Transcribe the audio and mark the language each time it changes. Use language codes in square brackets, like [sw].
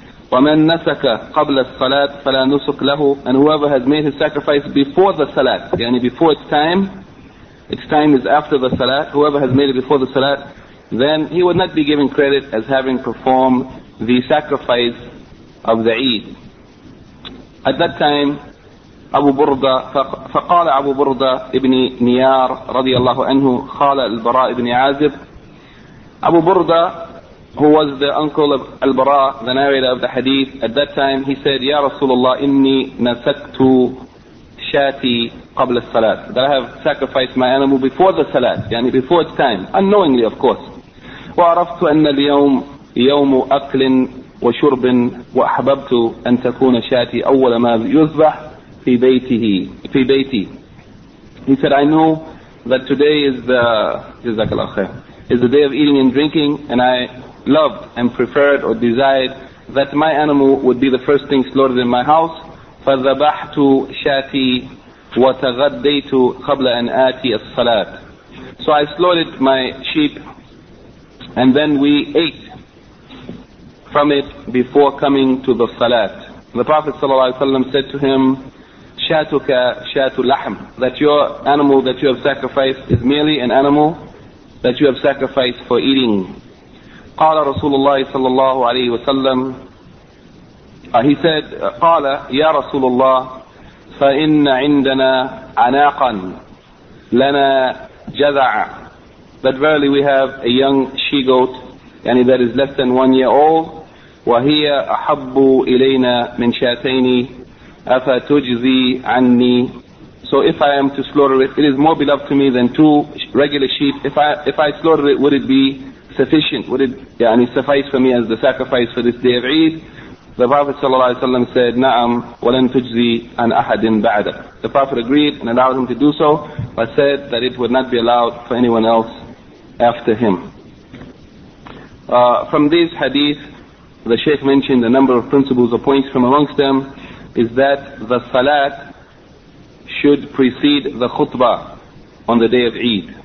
[ar] وَمَنْ نَسَكَ قَبْلَ الصَّلَاةِ فَلَا نُسُكْ لَهُ. [en] And whoever has made his sacrifice before the salat, yani before its time is after the salat, whoever has made it before the salat, then he would not be given credit as having performed the sacrifice of the Eid. At that time, [ar] أبو بردة فقال أبو بردة ابن نيار رضي الله عنه خال البراء ابن عازب. [en] أبو بردة, who was the uncle of البراء, the narrator of the hadith, at that time he said, [ar] يا رسول الله إني نسكت شاتي قبل الصلاة. [en] That I have sacrificed my animal before the salat, يعني before its time, unknowingly of course. [ar] وعرفت أن اليوم يوم أكل وشرب وأحببت أن تكون شاتي أول ما يذبح في بيتي. [en] He said, I know that today is the Jazakallahu khair, is the day of eating and drinking, and I loved and preferred or desired that my animal would be the first thing slaughtered in my house. [ar] فذبحت شاتي وتغديت قبل أن آتي الصلاة. [en] So I slaughtered my sheep and then we ate from it before coming to the salat. The Prophet sallallahu alaihi wasallam said to him, [ar] شَاتُكَ شَاتُ لَحْمْ. [en] That your animal that you have sacrificed is merely an animal that you have sacrificed for eating. [ar] قَالَ رَسُولُ اللَّهِ صَلَّى اللَّهُ عَلَيْهِ وَسَلَّمُ. [en] He said, [ar] قَالَ يَا رَسُولُ اللَّهِ فَإِنَّ عِنْدَنَا عَنَاقًا لَنَا جَذَعًا. [en] That verily we have a young she-goat, yani that is less than 1 year old, [ar] وهي أحب إلينا من شاتين أفتجزي عني. [en] So if I am to slaughter it, it is more beloved to me than two regular sheep. If I slaughter it, would it be sufficient? Would it يعني suffice for me as the sacrifice for this day of Eid? The Prophet صلى الله عليه وسلم said, [ar] نعم ولن تجزي عن أحد بعدك. [en] The Prophet agreed and allowed him to do so, but said that it would not be allowed for anyone else after him. From these hadith, the Shaykh mentioned a number of principles or points. From amongst them is that the Salat should precede the Khutbah on the day of Eid.